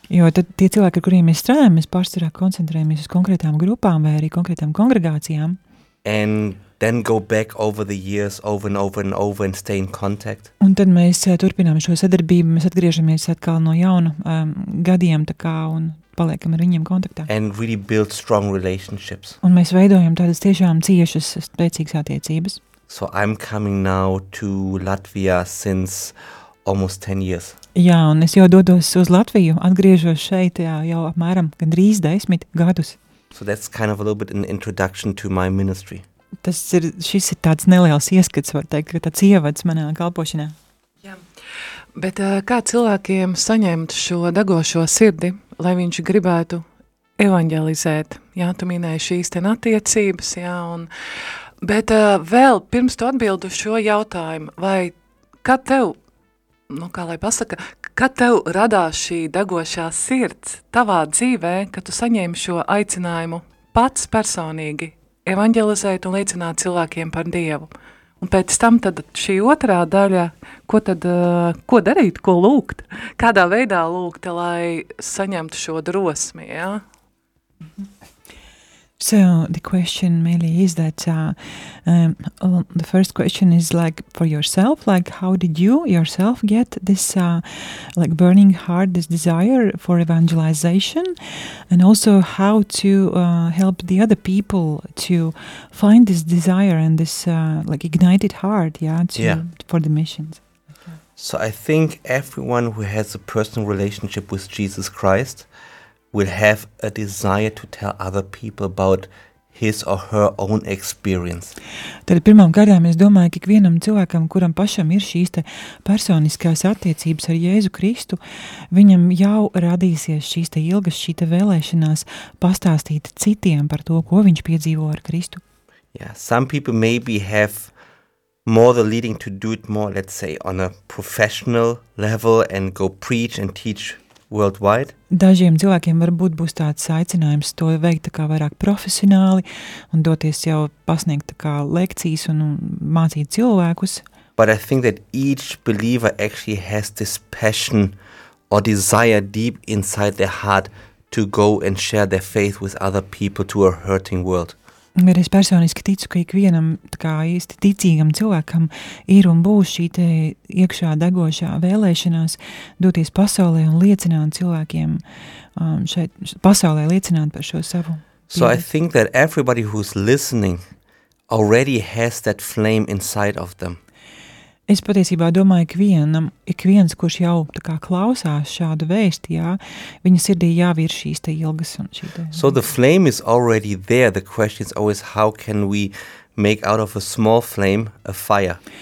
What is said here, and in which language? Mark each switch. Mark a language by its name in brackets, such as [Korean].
[Latvian] Jo tad tie cilvēki, ar kuriem mēs strādājam, mēs pārsvarā koncentrējamies uz konkrētām grupām vai arī konkrētām kongregācijām. [English] And then go back over the years, over and over and over and stay in contact. [Latvian] Un tad mēs turpinām šo sadarbību, mēs atgriežamies atkal no jauna gadiem tā kā un paliekam ar viņiem kontaktā. [English] And really build strong relationships. [Latvian] Un mēs veidojam tādas tiešām ciešas, spēcīgas attiecības. [English] So I'm coming now to Latvia since almost 10 years. [Latvian] Jā, un es jau dodos uz Latviju, atgriežos šeit jau apmēram gandrīz 10 gadus. [English] So that's kind of a little bit an introduction to my ministry. [Latvian] Šis ir tāds neliels ieskats, var teikt, ka tāds ievads manā kalpošanā. Jā, bet kā cilvēkiem saņemt šo degošo sirdi, lai viņš gribētu evanģelizēt? Jā, tu minēji šīs ten attiecības, jā, un, bet vēl pirms tu atbildi šo jautājumu, vai kad tev, nu kā lai pasaka, kad tev radās šī degošā sirds tavā dzīvē, kad tu saņēmi šo aicinājumu pats personīgi? Evanģelizēt un liecināt cilvēkiem par Dievu. Un pēc tam tad šī otrā daļa, ko tad, ko darīt, ko lūgt? Kādā veidā lūgt, lai saņemtu šo drosmi, ja? [English] So, the question mainly is that, the first question is like for yourself, like how did you yourself get this, like burning heart, this desire for evangelization, and also how to help the other people to find this desire and this like ignited heart, for the missions. Okay. So I think everyone who has a personal relationship with Jesus Christ will have a desire to tell other people about his or her own experience. [Latvian] Tad pirmām kārtām es domāju, ka ikvienam cilvēkam, kuram pašam ir šīs te personiskās attiecības ar Jēzu Kristu, viņam jau radīsies šīs te ilgas, šī te vēlēšanās pastāstīt citiem par to, ko viņš piedzīvo ar Kristu. [English] Yeah, some people maybe have more the leading to do it more, let's say, on a professional level and go preach and teach worldwide. [Latvian] Dažiem cilvēkiem varbūt būs tāds aicinājums to veikt tā kā vairāk profesionāli un doties jau pasniegt tā kā lekcijas un mācīt cilvēkus. [English] But I think that each believer actually has this passion or desire deep inside their heart to go and share their faith with other people to a hurting world. [Latvian] Bet es personiski ticu, ka ikvienam tā kā īsti ticīgam cilvēkam ir un būs šī te iekšā degošā vēlēšanās doties pasaulē un liecināt cilvēkiem šeit pasaulē liecināt par šo savu. [English] So I think that everybody who's listening already has that flame inside of them. [Latvian] Es patiesībā domāju, ik viens, kurš jau tā kā klausās šādu vēstu, jā, viņa sirdī jāvir šīs te ilgas un šī te. [English] So the flame is already there. The question is always how can we make out of a small flame a fire?